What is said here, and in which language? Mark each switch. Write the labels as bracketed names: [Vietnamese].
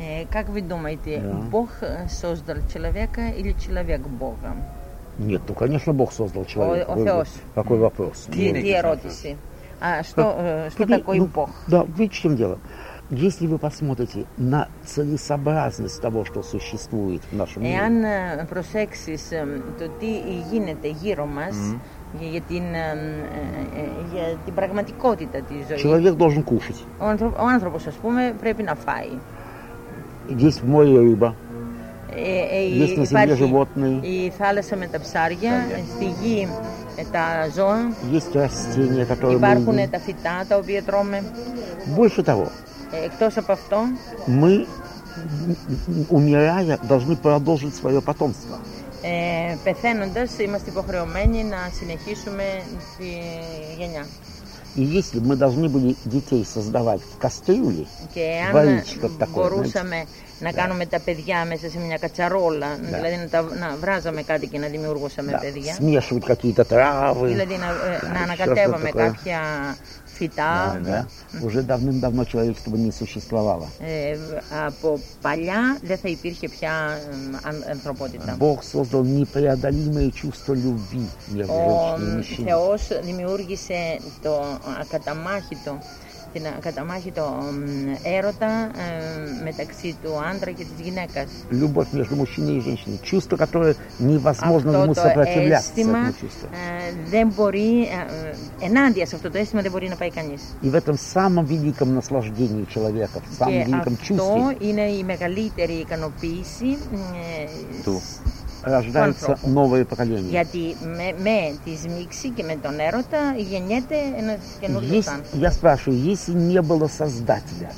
[Russian] Как вы думаете, Бог создал человека или человек Бога? Нет, ну конечно Бог создал человека. [Greek] О Θεός. [Russian] Какой вопрос? Тие родиси. А что такое Бог? Да, видите, в чем дело. Если вы посмотрите на целесообразность того, что существует в нашем мире. [Greek] Εάν προσέξεις το τι γίνεται γύρω μας για την πραγματικότητα της ζωής. [Russian] Человек должен кушать. [Greek] Ο άνθρωπος, ας πούμε, πρέπει να φάει. [Russian] Есть в море рыба. Есть на земле животные. [Greek] И θάλασσα με τα ψάρια, στη γη τα ζώα. [Russian] Есть растения, которые [Greek] υπάρχουν τα φυτά τα οποία τρώμε. [Russian] Больше того. [Greek] Εκτός από αυτό. [Russian] Мы, умирая, должны продолжить свое потомство. [Greek] Πεθαίνοντας είμαστε υποχρεωμένοι να συνεχίσουμε τη γενιά. [Russian] И если мы должны были детей создавать в кастрюле, [Greek] мπορούσαμε να κάνουμε τα παιδιά μέσα σε μια κατσαρόλα, δηλαδή να βράζαμε κάτι και να δημιουργούσαμε παιδιά. [Russian] Смешивать какие-то травы. [Greek] Δηλαδή να ανακατεύαμε κάποια φυτά. Ναι, ναι. [Russian] Уже давным-давно человечество не существовало. [Greek] Από παλιά δεν θα υπήρχε πια ανθρωπότητα. [Russian] Бог создал непреодолимое чувство любви между женщиной и мужчиной. [Greek] Ο Θεός δημιούργησε το ακαταμάχητο. Την ακαταμάχητο έρωτα μεταξύ του άντρα και της γυναίκας. [Russian] Любовь между мужчиной и женщиной. Чувство, которое невозможно ему сопротивляться. [Greek] Δεν μπορεί, ενάντια σε αυτό το αίσθημα δεν μπορεί να πάει κανείς. [Russian] И в этом самом великом наслаждении человека, в самом великом чувстве. [Greek] Και αυτό είναι η μεγαλύτερη ικανοποίηση του. [Russian] Рождается новое поколение. [Greek] Γιατί με τη μίξη και με τον έρωτα γεννιέται ένα καινούργιο άνθρωπο. [Russian] Я спрашиваю, если не было создателя,